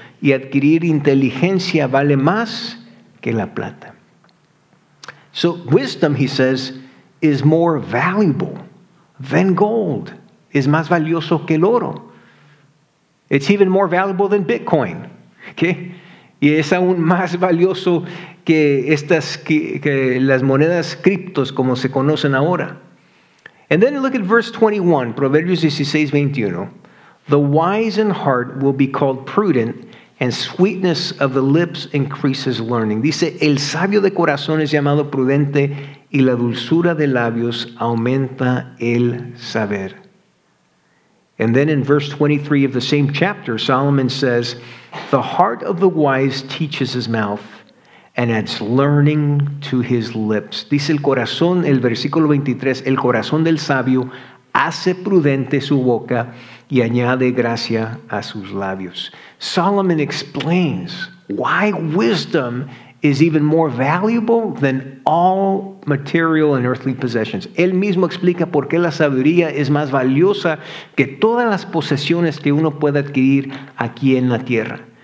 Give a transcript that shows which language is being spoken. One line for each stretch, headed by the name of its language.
Spanish: Y adquirir inteligencia vale más que la plata.
English: So wisdom, he says, is more valuable than gold.
Spanish: Es más valioso que el oro.
English: It's even more valuable than Bitcoin. Okay?
Spanish: Y es aún más valioso que estas que las monedas criptos como se conocen ahora.
English: And then look at verse 21, Proverbios 16:21. The wise in heart will be called prudent, and sweetness of the lips increases learning.
Spanish: Dice, el sabio de corazón es llamado prudente, y la dulzura de labios aumenta el saber.
English: And then in verse 23 of the same chapter, Solomon says, the heart of the wise teaches his mouth and adds learning to his lips.
Spanish: Dice el corazón, el versículo 23, el corazón del sabio hace prudente su boca y añade gracia a sus labios.
English: Solomon explains why wisdom is even more valuable than all material and earthly possessions.
Spanish: Él mismo explica por qué la sabiduría es más valiosa que todas las posesiones que uno puede adquirir aquí en la tierra.